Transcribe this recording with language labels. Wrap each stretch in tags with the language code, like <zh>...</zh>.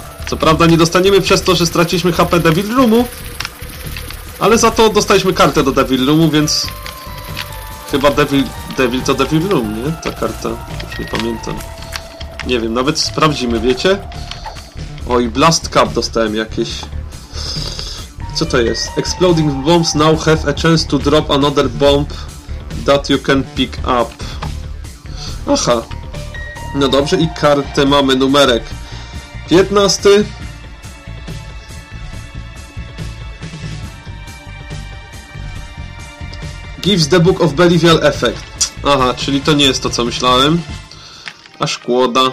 <pl>Co prawda nie dostaniemy przez to, że straciliśmy HP Devil Roomu, ale za to dostaliśmy kartę do Devil Roomu, więc chyba Devil to Devil Room, nie? Ta karta, już nie pamiętam. Nie wiem, nawet sprawdzimy, wiecie? Oj, Blast Cup dostałem jakieś. Co to jest?</pl> <en>Exploding bombs now have a chance to drop another bomb that you can pick up.</en> <pl>Aha. No dobrze, i kartę mamy, numerek. 15.</pl> <en>Gives the Book of Belial Effect.</en> <pl>Aha, czyli to nie jest to, co myślałem. A szkoda.</pl>